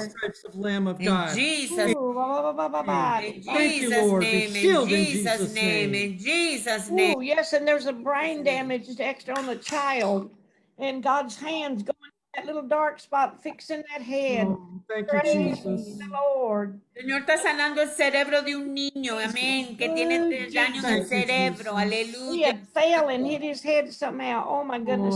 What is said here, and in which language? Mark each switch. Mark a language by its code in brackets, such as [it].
[en] In the stripes of Lamb of God. Jesus. Thank you, Lord. In Jesus' name. Oh, yes, and there's a brain damage extra on the child. And God's hands going to that little dark spot, fixing that head. Oh, thank you, Jesus. The Lord. [es] Señor está sanando el cerebro de un niño, amén, que tiene daño en el cerebro, aleluya. [en] He fell and hit his head somehow, oh my goodness.